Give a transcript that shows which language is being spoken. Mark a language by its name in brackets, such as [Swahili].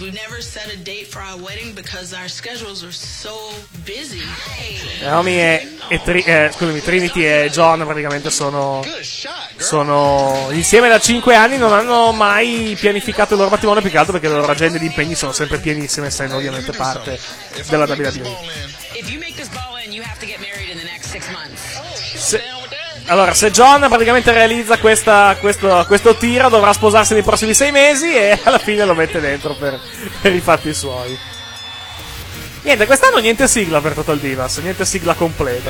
[English] We've never set a date for our wedding because our schedules are so busy. [Italian] Naomi Trinity e John praticamente sono insieme da 5 anni, non hanno mai pianificato il loro matrimonio, più che altro perché le loro agende di impegni sono sempre pienissime, essendo ovviamente parte della WWE. [English] If you make this ball in, you have to get married in the next 6 months. [Italian] Allora, se John praticamente realizza questo tiro, dovrà sposarsi nei prossimi 6 mesi e alla fine lo mette dentro per i fatti suoi. Niente, quest'anno niente sigla per Total Divas, niente sigla completa.